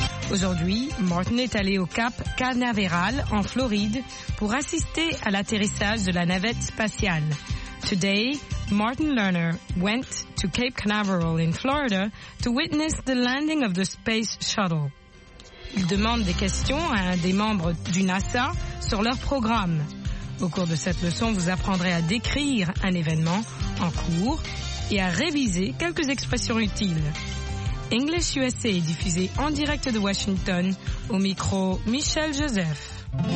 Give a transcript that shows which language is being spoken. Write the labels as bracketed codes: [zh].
[fr] Aujourd'hui, Martin est allé au Cap Canaveral en Floride pour assister à l'atterrissage de la navette spatiale. [en] Today, Martin Lerner went to Cape Canaveral in Florida to witness the landing of the space shuttle. [fr] Il demande des questions à un des membres du NASA sur leur programme. Au cours de cette leçon, vous apprendrez à décrire un événement en cours et à réviser quelques expressions utiles. English USA est diffusé en direct de Washington au micro Michel Joseph.